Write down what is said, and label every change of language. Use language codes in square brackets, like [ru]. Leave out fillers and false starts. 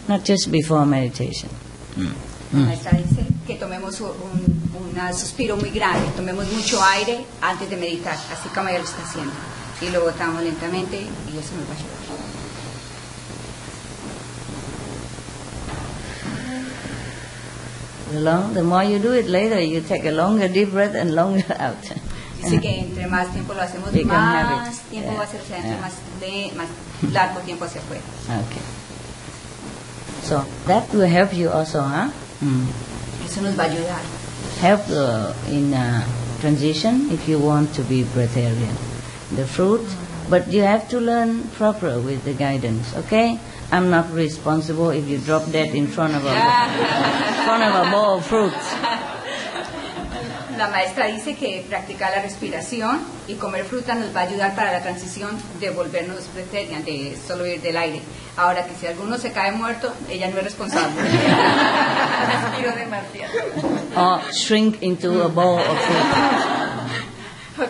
[en] Not just before meditation. [es] Maestra dice que tomemos un suspiro muy grande, tomemos mucho aire antes de meditar, así como ella lo está haciendo. Y lo botamos lentamente y eso nos va a ayudar. [en] The more you do it later, you take a longer deep breath and longer out. [es] Dice que entre más tiempo lo hacemos, más tiempo va a ser más largo tiempo hacia afuera. [en] Okay. So that will help you also, huh? [es] Eso nos va a ayudar. [en] Help in transition if you want to be breatharian. The fruit, but you have to learn proper with the guidance, okay? I'm not responsible if you drop that in front of a bowl of fruits. [es] La maestra dice que practicar la respiración y comer fruta nos va a ayudar para la transición de volvernos breatharian, de solo ir del aire. Ahora que si alguno se cae muerto, ella no es responsable. Respiro demasiado. [en] Or shrink into a bowl of fruit.